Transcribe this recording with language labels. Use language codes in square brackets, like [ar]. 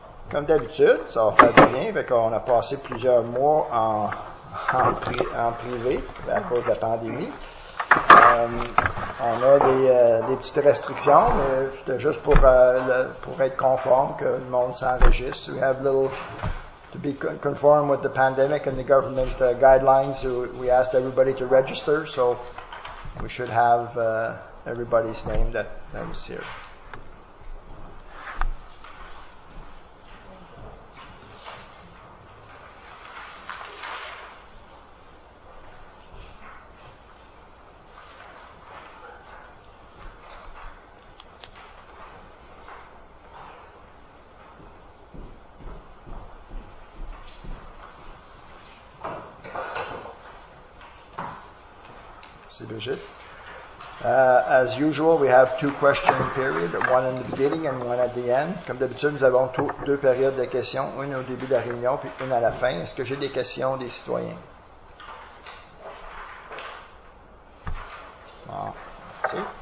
[fr] Comme d'habitude, ça va faire du bien, fait qu'on a passé plusieurs mois en privé à cause de la pandémie. On a des petites restrictions, mais c'était juste pour être conforme, que le monde s'enregistre. [en] We have a little to be conform with the pandemic and the government guidelines. We asked everybody to register, so we should have everybody's name that is here. As usual, we have two question periods, one in the beginning and one at the end. [fr] Comme d'habitude, nous avons deux périodes de questions, une au début de la réunion puis une à la fin. Est-ce que j'ai des questions des citoyens? Bon, merci.